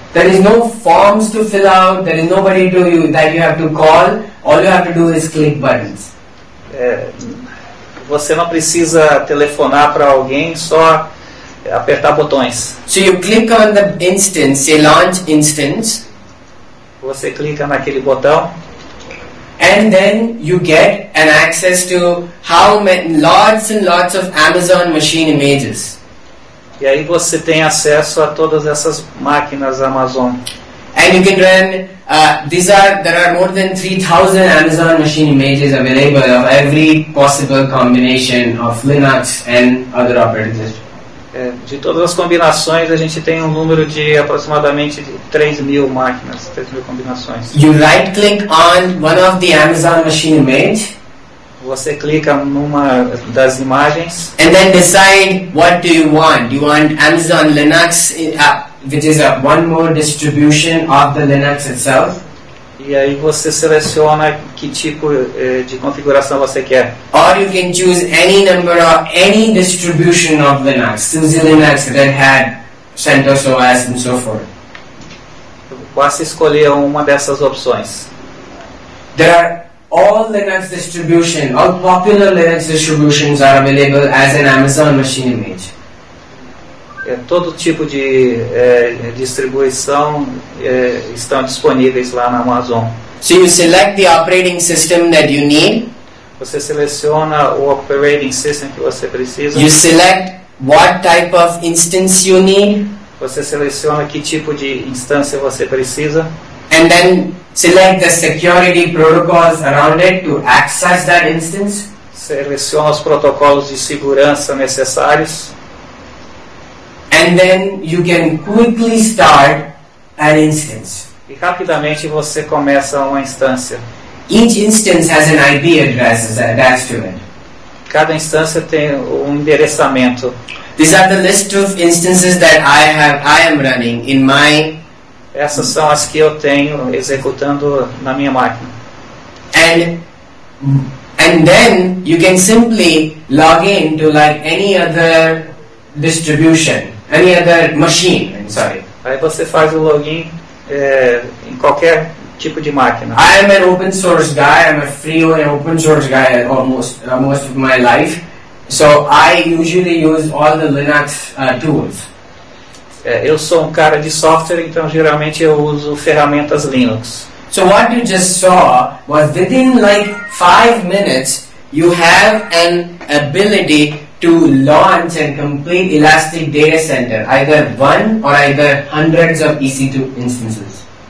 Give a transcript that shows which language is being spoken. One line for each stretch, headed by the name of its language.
English: There is no forms to fill out, there is nobody to you that you have to call, all you have to do is click buttons.
Portuguese: Você não precisa telefonar para alguém, só apertar botões.
English: So you click on the instance, say launch instance.
Portuguese: Você clica naquele botão.
English: And then you get an access to how many, lots and lots of Amazon machine images.
Portuguese: E aí você tem acesso a todas essas máquinas Amazon.
English: And you can run, there are more than 3,000 Amazon machine images available of every possible combination of Linux and other operating systems.
Portuguese: De todas as combinações, a gente tem um número de aproximadamente 3,000 máquinas, 3,000 combinações.
English: You right click on one of the Amazon machine image.
Portuguese: Você clica numa das imagens.
English: And then decide what do you want. Do you want Amazon Linux, which is one more distribution of the Linux itself?
Portuguese: E aí você seleciona que tipo de configuração você quer.
English: Or you can choose any number of any distribution of Linux. SUSE Linux, Red Hat, CentOS OS, and so forth.
Portuguese: Basta escolher uma dessas opções.
English: There are all Linux distributions, all popular Linux distributions are available as an Amazon machine image.
Portuguese: Todo tipo de distribuição estão disponíveis lá na Amazon.
English: So you select the operating system that you need.
Portuguese: Você seleciona o
English: operating system
Portuguese: que você precisa.
English: You select what type of instance you need.
Portuguese: Você seleciona que tipo de instância você precisa.
English: And then select the security protocols around it to access that instance.
Portuguese: Seleciona os protocolos de segurança necessários.
English: And then you can quickly start an instance.
Portuguese: E rapidamente você começa uma instância.
English: Each instance has an IP address attached to it.
Portuguese: Cada instância tem um endereçamento.
English: These are the list of instances that I am running in my.
Portuguese: Essas são as que eu tenho executando na minha máquina.
English: And then you can simply log in to like any other distribution. Any other machine, I'm sorry.
Portuguese: Aí você faz o login em qualquer tipo de máquina.
English: I am an open source guy. I'm a free and open source guy almost of my life. So I usually use all the Linux tools.
Portuguese: Eu sou um cara de software, então geralmente eu uso ferramentas Linux.
English: So what you just saw was within like 5 minutes you have an ability to launch and complete Elastic Data Center, either one or either hundreds of EC2 instances.